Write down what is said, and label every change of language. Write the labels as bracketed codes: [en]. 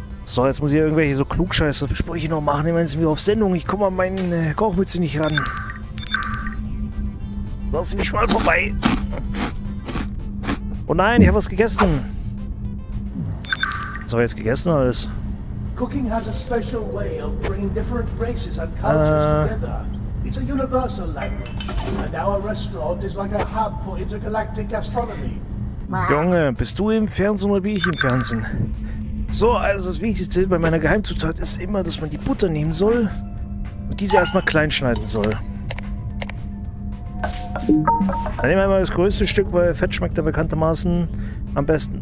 [de] So, jetzt muss ich irgendwelche so Klugscheißer-Sprüche noch machen. Ich meine, sind wir auf Sendung. Ich komme an meinen Kochmütze nicht ran. Lass mich mal vorbei. Oh nein, ich habe was gegessen. Was habe ich jetzt gegessen alles? [en] Cooking has a special way of bringing different races and cultures together. It's a universal language. And our restaurant is like a hub for intergalactic gastronomy. [de] Junge, bist du im Fernsehen oder bin ich im Fernsehen? So, also das Wichtigste bei meiner Geheimzutat ist immer, dass man die Butter nehmen soll und diese erstmal klein schneiden soll. Dann nehmen wir mal das größte Stück, weil Fett schmeckt ja bekanntermaßen am besten.